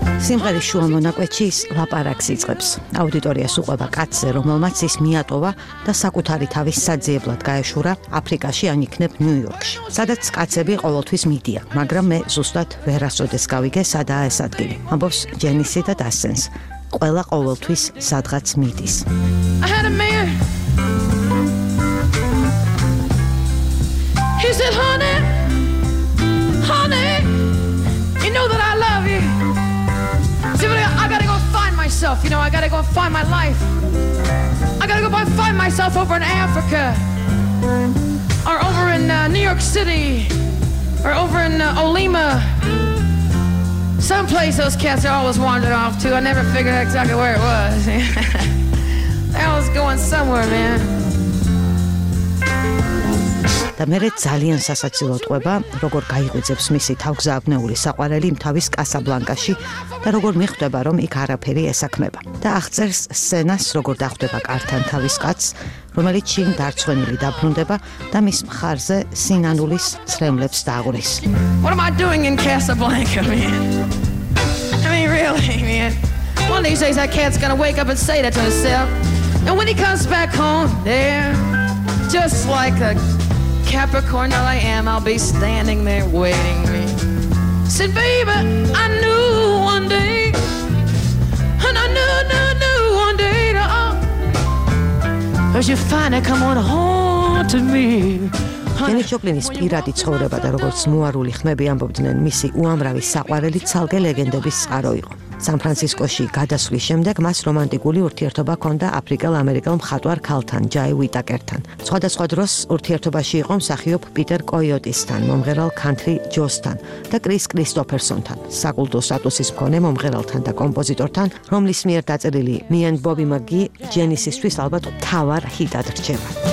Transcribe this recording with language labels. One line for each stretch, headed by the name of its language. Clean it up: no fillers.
Georgian: სიმღერის შუა მონაკვეთში ის ლაპარაკს იწყებს. აუდიტორიას უყვება კაცზე, რომელმაც ის მიატოვა და საკუთარი თავის საძიებლად გაეშურა აფრიკაში ან იქნებ ნიუ-იორკში, სადაც კაცები ყოველთვის მიდიან, მაგრამ მე ზუსტად ვერასოდეს გავიგე სადაა ეს ადგილი. ამბობს ჯენისი და დასცენს: ყველა ყოველთვის სადღაც მიდის.
English: He said, honey, honey, you know that I love you. See, but I gotta go find myself, you know, I gotta go find my life. I gotta go find myself over in Africa, or over in New York City, or over in Olima. Someplace those cats are always wandering off to. I never figured out exactly where it was. They're always going somewhere, man.
Georgian: და მე ძალიან სასაცილოდ ყვება, როგორ გაიღვიძებს მისი თავგზავნეული საყვარელი თავის კასაბლანკაში და როგორ მიხვდება, რომ იქ არაფერი ესაქმება. და აღწერს სცენას, როგორ დახვდება კართან თავის კაცს, რომელიც შინ დარწმუნებული დაბრუნდება და მის მხარზე სინანულის ცრემლებს დააგურის.
English: What am I doing in Casablanca, man? I mean, really, man. One of these days that cat's gonna wake up and say that to himself. And when he comes back home, there just like a Capricorn all I am, I'll be standing there waiting me. Said, baby, I knew one day, and I knew one day that you'd finally come on home to me.
Georgian: ჯენის ჯოპლინის პირადი ცხოვრება და როგორც მოარული ხმები ამბობდნენ, მისი უამრავი საყვარელი ცალკე ლეგენდების წყარო იყო. სან-ფრანცისკოში გადასვლის შემდეგ მას რომანტიკული ურთიერთობა ჰქონდა აფრიკელ-ამერიკელ მხატვარ ქალთან, ჯაი ვიტაკერთან. სხვადასხვა დროს ურთიერთობაში იყო მსახიობ პიტერ კოიოტისთან, მომღერალ ქანთრი ჯოსთან და კრის კრისტოფერსონთან, საკულტო სტატუსის მქონე მომღერალთან და კომპოზიტორთან, რომლის მიერ დაწერილი მი ენდ ბობი მაგი ჯენისისთვის ალბათ მთავარ ჰიტად რჩება.